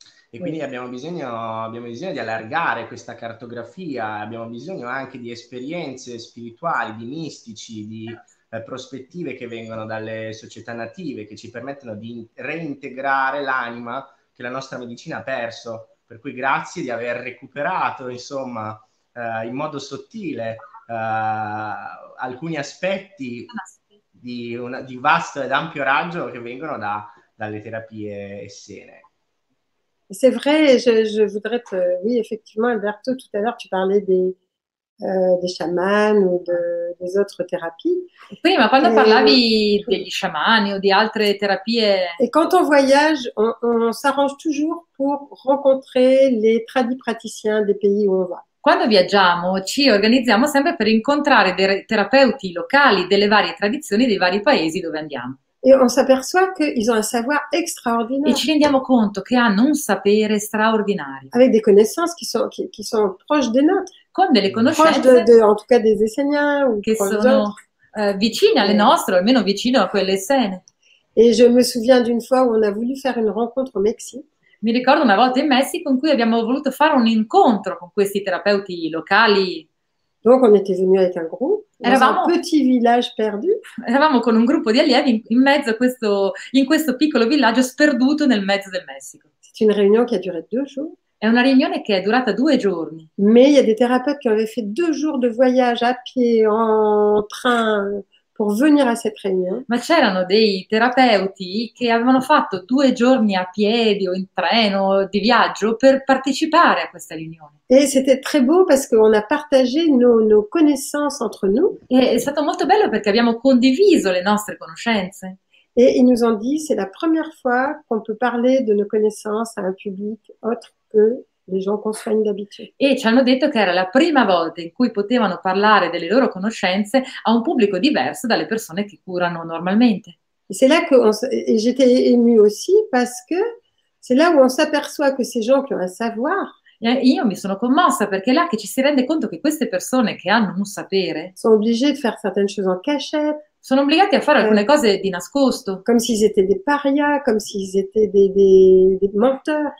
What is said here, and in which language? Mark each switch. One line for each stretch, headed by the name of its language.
Italian: E quindi abbiamo bisogno di allargare questa cartografia, abbiamo bisogno anche di esperienze spirituali, di mistici, di prospettive che vengono dalle società native che ci permettono di reintegrare l'anima che la nostra medicina ha perso, per cui grazie di aver recuperato, insomma, in modo sottile alcuni aspetti di vasto ed ampio raggio che vengono dalle terapie essene.
French: C'est vrai, je voudrais te... Oui, effectivement, Alberto, tout à l'heure, tu parlais des chamans ou des autres thérapies.
Italian: Prima, quando parlavi degli sciamani o di altre terapie...
French: Et quand on voyage, on s'arrange toujours pour rencontrer les tradipraticiens des pays où on va.
Italian: Quando viaggiamo, ci organizziamo sempre per incontrare dei terapeuti locali delle varie tradizioni dei vari paesi dove andiamo.
French: Et on s'aperçoit qu'ils ont un savoir extraordinaire.
Italian: E ci rendiamo conto che hanno un sapere straordinario.
French: Avec des connaissances qui sont proches des nôtres.
Italian: Con delle conoscenze.
French: Proches de, en tout cas des Esséniens ou
Italian: che sono vicine alle nostre, o almeno vicino a quelle essene.
French: Et je me souviens d'une fois où on a voulu faire une rencontre au Mexique.
Italian: Mi ricordo una volta in Messico in cui abbiamo voluto fare un incontro con questi terapeuti locali.
French: Donc on était venu avec un groupe.
Italian: Eravamo
French: un petit village perdu.
Italian: Eravamo con un gruppo di allievi in mezzo a questo in questo piccolo villaggio sperduto nel mezzo del Messico.
French: C'est une réunion qui a duré deux jours.
Italian: È una riunione che è durata due giorni.
French: Mais il y a des thérapeutes qui avaient fait deux jours de voyage à pied en train pour venir à cette réunion.
Italian: Ma c'erano dei terapeuti che avevano fatto due giorni a piedi o in treno di viaggio per partecipare a questa riunione.
French: Et c'était très beau parce qu'on a partagé nos connaissances entre nous.
Italian: Et è stato molto bello perché abbiamo condiviso le nostre conoscenze.
French: Et ils nous ont dit c'est la première fois qu'on peut parler de nos connaissances à un public autre que les gens qu'on soigne d'habitude.
Italian: E ci hanno detto che era la prima volta in cui potevano parlare delle loro conoscenze a un pubblico diverso dalle persone che curano normalmente.
French: Et c'est là que j'étais émue aussi parce que c'est là où on s'aperçoit que ces gens qui ont un savoir.
Italian: Io mi sono commossa perché è là che ci si rende conto che queste persone che hanno un sapere sono obbligate a fare
French: certaine chose en cachette,
Italian: sono obbligati a fare alcune cose di nascosto, come
French: s'ils étaient des parias, come s'ils étaient des menteurs,